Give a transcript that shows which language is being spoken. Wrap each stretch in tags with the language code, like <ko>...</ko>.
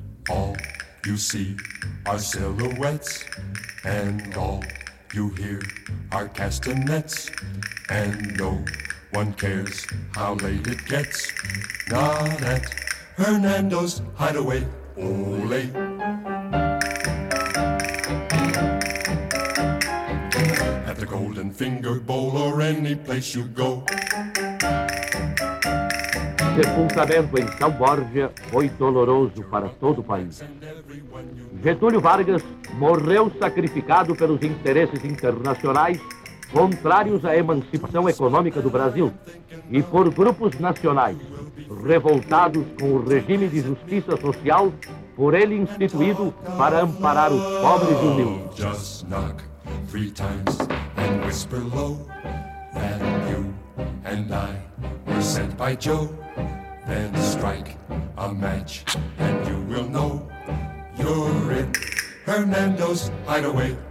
<en>All you see are silhouettes, and all you hear are castanets, and no one cares how late it gets. Not at Hernando's Hideaway. Olé. At the Golden Finger Bowl or any place you go.</en> <pt>Sepultamento em São Borja foi doloroso para todo o país. Getúlio Vargas morreu sacrificado pelos interesses internacionais contrários à emancipação econômica do Brasil e por grupos nacionais revoltados com o regime de justiça social por ele instituído para amparar os pobres e humildes.</pt> <en>Just knock three times and whisper low that you and I were sent by Joe. Then strike a match and you will know you're in Hernando's Hideaway.</en>